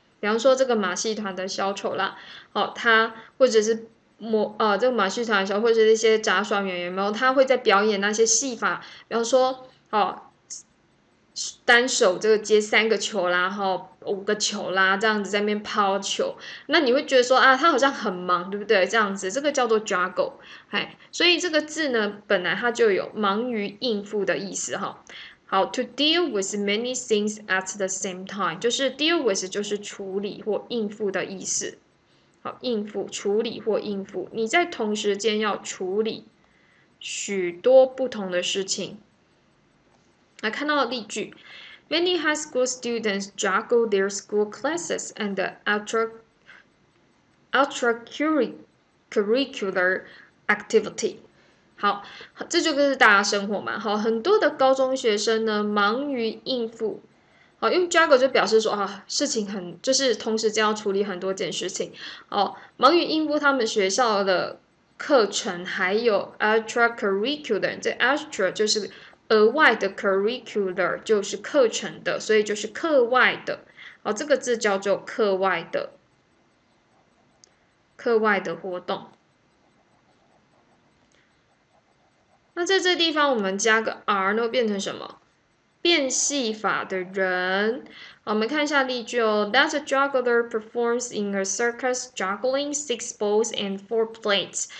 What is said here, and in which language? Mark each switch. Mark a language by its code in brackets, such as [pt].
[zh] 比方说这个马戏团的小丑啦，哦，他或者是这个马戏团小丑或者是一些杂耍演员，然后他会在表演那些戏法，比方说哦，单手这个接三个球啦，然后五个球啦，这样子在那边抛球，那你会觉得说啊，他好像很忙，对不对？这样子，这个叫做 juggle，哎，所以这个字呢，本来它就有忙于应付的意思哈。好， [en] to deal with many things at the same time， [zh] 就是 deal with 就是处理或应付的意思。好，应付、处理或应付，你在同时间要处理许多不同的事情。来，看到例句， [en] many high school students juggle their school classes and extracurricular activity。 [zh] 好，这就是大家生活嘛。好，很多的高中学生呢，忙于应付。好，用 juggle 就表示说啊，事情很，就是同时间要处理很多件事情。好，忙于应付他们学校的课程，还有 extracurricular，这 extra 就是额外的 curricular，就是课程的，所以就是课外的。好，这个字叫做课外的，课外的活动。那在这地方，我们加个 R 呢，变成什么？变戏法的人。好，我们看一下例句哦。 [en] That juggler performs in a circus, juggling six balls and four plates。